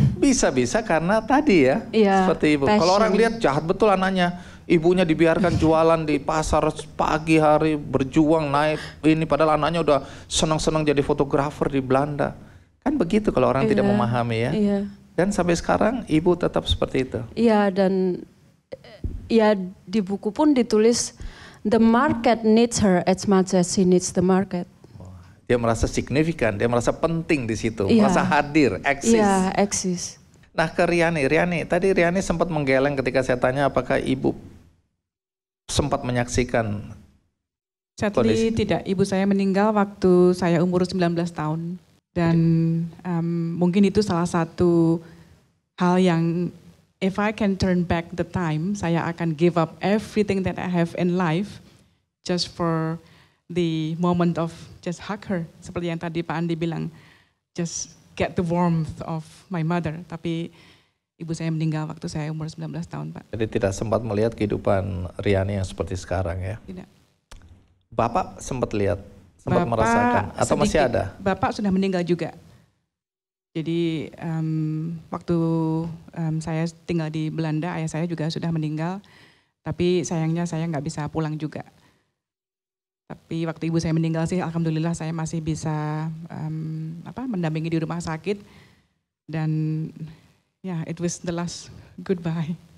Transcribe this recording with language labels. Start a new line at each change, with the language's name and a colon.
Indonesian: Bisa-bisa karena tadi ya, ya seperti ibu. Passion. Kalau orang lihat, jahat betul anaknya. Ibunya dibiarkan jualan di pasar pagi hari, berjuang naik ini, padahal anaknya udah senang-senang jadi fotografer di Belanda. Kan begitu kalau orang tidak memahami ya. Iya. Dan sampai sekarang ibu tetap seperti itu. Iya, dan ya di buku pun ditulis,
English: "The market needs her as much as she needs the market."
Indonesian: Dia merasa signifikan, dia merasa penting di situ, ya. Merasa hadir, eksis. Iya, eksis. Nah, ke Riani, Riani, tadi Riani sempat menggeleng ketika saya tanya apakah ibu sempat menyaksikan.
English: Sadly,
Indonesian: tidak. Ibu saya meninggal waktu saya umur 19 tahun. Dan mungkin itu salah satu hal yang
English: if I can turn back the time,
Indonesian: saya akan
English: give up everything that I have in life just for the moment of just hug her.
Indonesian: Seperti yang tadi Pak Andi bilang,
English: just get the warmth of my mother.
Indonesian: Tapi ibu saya meninggal waktu saya umur 19 tahun, Pak. Jadi tidak sempat melihat kehidupan Riani yang seperti sekarang ya? Tidak. Bapak sempat lihat, sempat Bapak merasakan, atau sedikit, masih ada? Bapak sudah meninggal juga. Jadi waktu saya tinggal di Belanda, ayah saya juga sudah meninggal. Tapi sayangnya saya nggak bisa pulang juga. Tapi waktu ibu saya meninggal sih, alhamdulillah saya masih bisa mendampingi di rumah sakit. Dan ya,
English: yeah, it was the last goodbye.